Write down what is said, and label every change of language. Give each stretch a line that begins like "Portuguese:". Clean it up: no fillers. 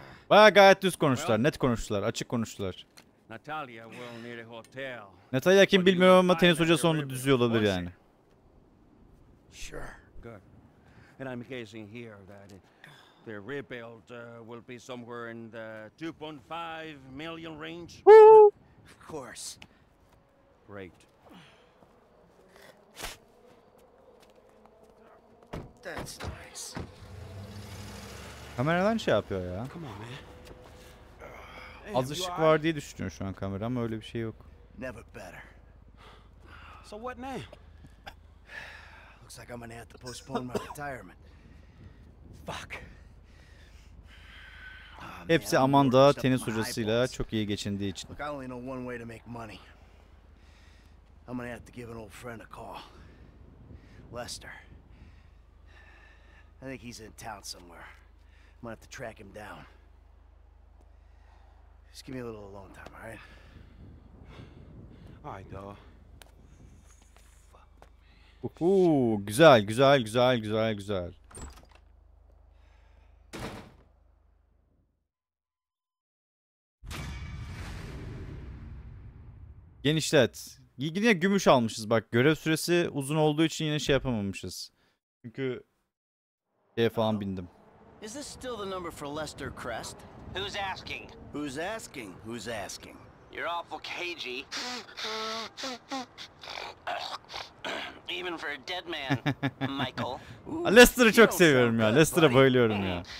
Turkish: Bayağı gayet düz konuştular, well, net konuştular, açık konuştular.
English: Natalia will need a hotel.
Turkish: Natalia kim bilmiyorum ama tenis hocası onu düzüyor olabilir yani.
English: Sure. Good. And I'm guessing here that the rebuild will be somewhere in the 2.5 million range. Of course. Great. That's nice.
Turkish: Kamera lan şey yapıyor ya.
English: Come on, man.
Turkish: Az ışık var diye düşünüyorum şu an kamera ama öyle bir şey yok.
English: Never better. So what now? Looks like I'm gonna have to postpone my retirement. Fuck.
Turkish: Hepsi Amanda tenis hocasıyla çok iyi geçindiği için.
English: Look, I only know one way to make money. I'm gonna have to give an old friend a call. Lester. I think he's in town somewhere. I'm gonna have to track him down. Just give me a little alone time, all right? All right, dog.
Turkish: Fuck. Güzel, güzel, güzel, güzel, güzel. Genişlet. Yine gümüş almışız bak. Görev süresi uzun olduğu için yine şey yapamamışız. Çünkü şeye falan bindim.
English: Is this still the number for Lester Crest? Who's asking? Who's asking? Who's asking? You're awful cagey. Even for a dead man, Michael.
Turkish: Lester'ı çok seviyorum ya. Lester'a bayılıyorum ya.